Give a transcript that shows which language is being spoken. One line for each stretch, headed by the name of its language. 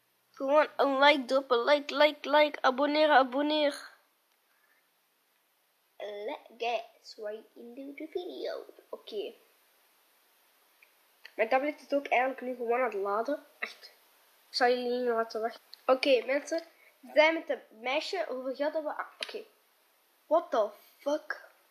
Dutch: Gewoon een like, drop een like, like, like. Abonneer, abonneer.
English: Let's get right into the video.
Dutch: Oké. Mijn tablet is ook eigenlijk nu gewoon aan het laden. Echt. Ik zal jullie niet laten wachten. Oké, mensen. We zijn met een meisje. Hoeveel geld hebben we? Oké.
English: What the fuck?